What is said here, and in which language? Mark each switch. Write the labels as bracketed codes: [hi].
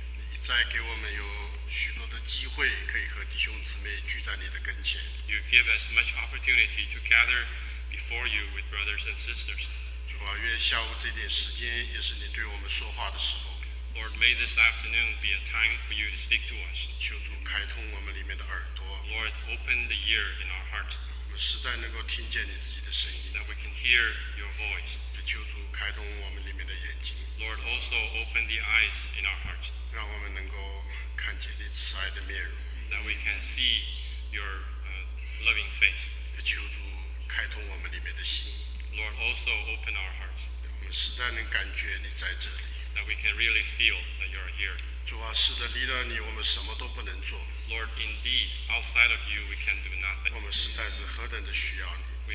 [zh] 你再给我们有许多的机会可以和弟兄姊妹聚在你的跟前。 [en] You give us much opportunity to gather before you with brothers and sisters. [zh] 主啊，愿下午这点时间也是你对我们说话的时候。 [en] Lord, may this afternoon be a time for you to speak to us. [zh] 求主开通我们里面的耳朵。 [en] Lord, open the ear in our hearts. [zh] 我们实在能够听见你自己的声音。 [en] That we can hear your voice. [zh] 求主开通我们里面的眼睛。 [en] Lord, also open the eyes in our hearts. [zh] 让我们能够看见你慈爱的面容。 [en] That we can see your loving face. [zh] 求主开通我们里面的心。 [en] Lord, also open our hearts. [zh] 我们实在能感觉你在这里。 [en] That we can really feel that you are here. [zh] 主啊，是的，离了你，我们什么都不能做。 [en] Lord, indeed, outside of you, we can do nothing. [zh] 我们实在是何等的需要你。